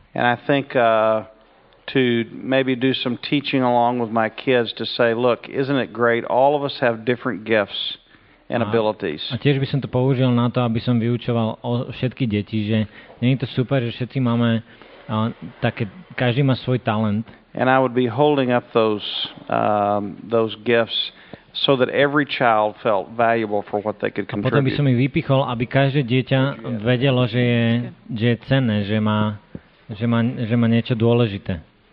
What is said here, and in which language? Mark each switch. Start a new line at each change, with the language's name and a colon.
English: And I think to maybe do some teaching along with my kids to say, look, isn't it great? All of us have different gifts and abilities.
Slovak: A tiež by som to použil na to, aby som vyučoval všetky deti, že nie je to super, že všetci máme také, každý má svoj talent.
English: And I would be holding up those gifts so that every child felt valuable for what they could contribute.
Slovak: A potom by som ich vypichol, aby každé dieťa vedelo, že je cenné, že má niečo dôležité.